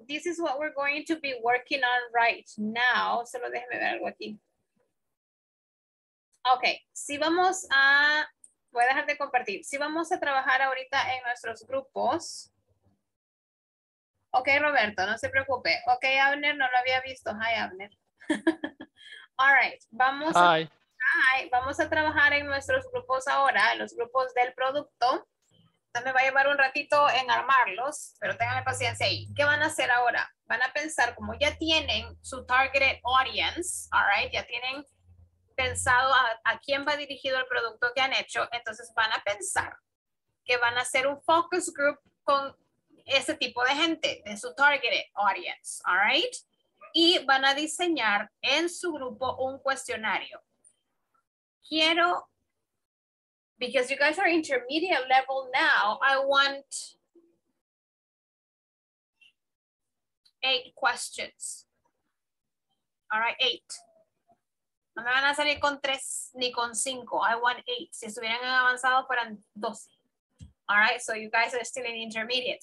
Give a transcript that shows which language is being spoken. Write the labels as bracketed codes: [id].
[en] This is what we're going to be working on right now. [es] Solo déjeme ver algo aquí. Ok, si vamos a, voy a dejar de compartir, si vamos a trabajar ahorita en nuestros grupos. Ok, Roberto, no se preocupe. Ok, Abner, no lo había visto. [en] Hi, Abner. All right, [es] vamos. [en] Hi. [es] Vamos a trabajar en nuestros grupos ahora, los grupos del producto. Entonces me va a llevar un ratito en armarlos, pero ténganme paciencia ahí. ¿Qué van a hacer ahora? Van a pensar, como ya tienen su targeted audience, all right, ya tienen pensado a quién va dirigido el producto que han hecho, entonces van a pensar que van a hacer un focus group con ese tipo de gente, de su targeted audience, all right? Y van a diseñar en su grupo un cuestionario. [en] Quiero, because you guys are intermediate level now, I want 8 questions, all right, 8. [es] No me van a salir con 3 ni con 5. [en] I want 8. [es] Si estuvieran en avanzado, fueran 12. [en] All right, so you guys are still in intermediate.